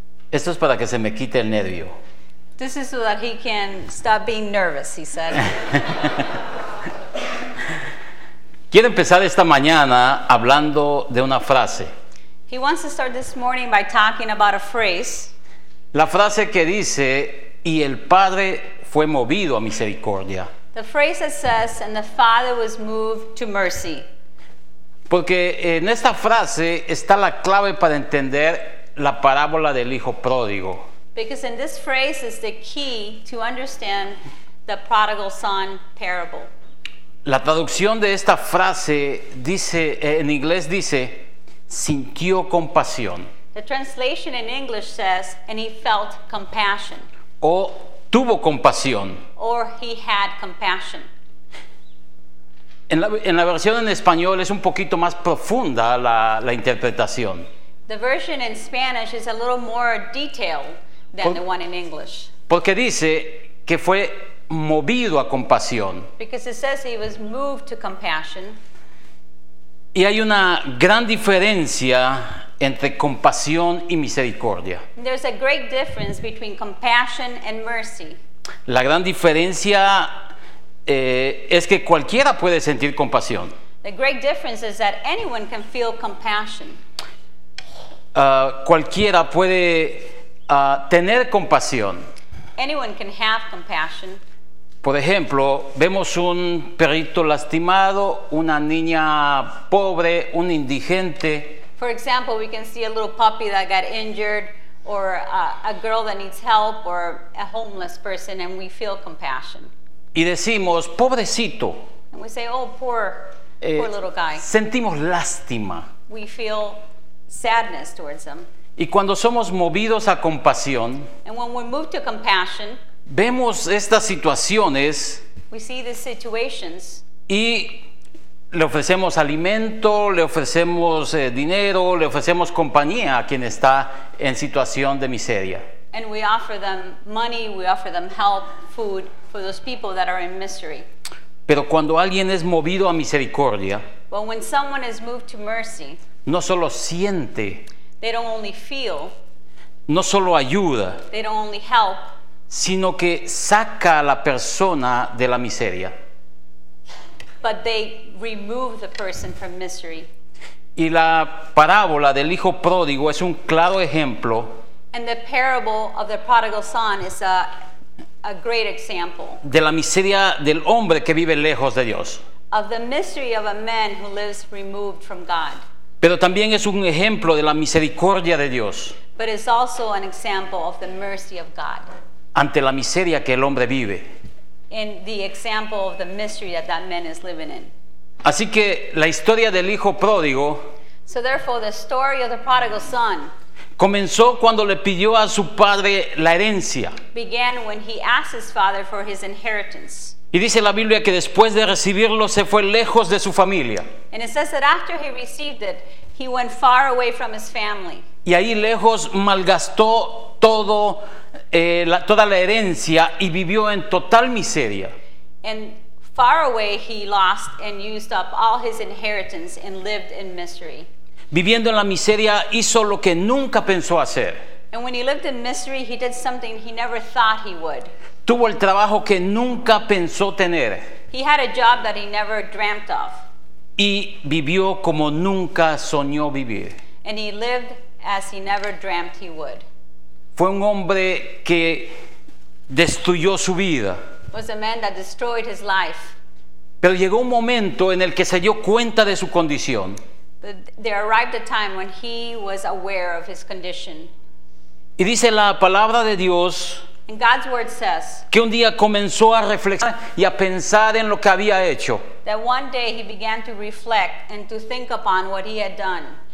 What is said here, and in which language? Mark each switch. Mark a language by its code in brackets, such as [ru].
[es] Esto es para que se me quite el nervio. [en] This is so that he can stop being nervous, he said. [es] Quiero empezar esta mañana hablando de una frase. [en] He wants to start this morning by talking about a phrase. [es] La frase que dice, y el Padre fue movido a misericordia. [en] The phrase that says, and the Father was moved to mercy. [es] Porque en esta frase está la clave para entender la parábola del hijo pródigo. [en] Because in this phrase is the key to understand the prodigal son parable. [es] La traducción de esta frase dice, en inglés dice, sintió compasión. [en] The translation in English says, and he felt compassion. [es] O tuvo compasión. [en] Or he had compassion. [es] En la versión en español es un poquito más profunda la interpretación. [en] The version in Spanish is a little more detailed than the one in English. [es] Porque dice que fue movido a compasión. [en] Because it says he was moved to compassion. [es] Y hay una gran diferencia entre compasión y misericordia. [en] There's a great difference between compassion and mercy. [es] La gran diferencia es que cualquiera puede sentir compasión. [en] The great difference is that anyone can feel compassion. [es] Cualquiera puede tener compasión. [en] Anyone can have compassion. [es] Por ejemplo, vemos un perrito lastimado, una niña pobre, un indigente. [en] For example, we can see a little puppy that got injured, or a girl that needs help, or a homeless person, and we feel compassion. [es] Y decimos, pobrecito. [en] And we say, oh, poor little guy. [es] Sentimos lástima. [en] We feel sadness towards them. [es] Y cuando somos movidos a compasión, [en] and when we're moved to compassion, [es] vemos estas situaciones, [en] we see these situations, [es] y le ofrecemos alimento, le ofrecemos dinero, le ofrecemos compañía a quien está en situación de miseria. [en] And we offer them money, we offer them help, food for those people that are in misery. [es] Pero cuando alguien es movido a misericordia, [en] well, when someone is moved to mercy, [es] no solo siente, [en] they don't only feel, [es] no solo ayuda, [en] they don't only help, [es] sino que saca a la persona de la miseria. [en] But they remove the person from misery. [es] Y la parábola del hijo pródigo es un claro ejemplo. [en] And the parable of the prodigal son is a great example. [es] De la miseria del hombre que vive lejos de Dios. [en] Of the misery of a man who lives removed from God. [es] Pero también es un ejemplo de la misericordia de Dios. [en] But it's also an example of the mercy of God. [es] Ante la miseria que el hombre vive. [en] In the example of the misery that that man is living in. [es] Así que la historia del hijo pródigo. [en] So therefore the story of the prodigal son. [es] Comenzó cuando le pidió a su padre la herencia. [en] Began when he asked his father for his inheritance. [es] Y dice la Biblia que después de recibirlo se fue lejos de su familia. [en] And it says that after he received it, he went far away from his family. [es] Y ahí lejos malgastó todo, toda la herencia y vivió en total miseria. [en] And far away he lost and used up all his inheritance and lived in misery. [es] Viviendo en la miseria hizo lo que nunca pensó hacer. [en] And when he lived in misery, he did something he never thought he would. [es] Tuvo el trabajo que nunca pensó tener. [en] He had a job that he never dreamt of. [es] Y vivió como nunca soñó vivir. [en] And he lived as he never dreamt he would. [es] Fue un hombre que destruyó su vida. [en] Was a man that destroyed his life. [es] Pero llegó un momento en el que se dio cuenta de su condición. [en] But there arrived a time when he was aware of his condition. [es] Y dice la palabra de Dios, [en] And God's word says [es] que un día comenzó a reflexionar y a pensar en lo que había hecho. [en] That one day he began to reflect and to think upon what he had done.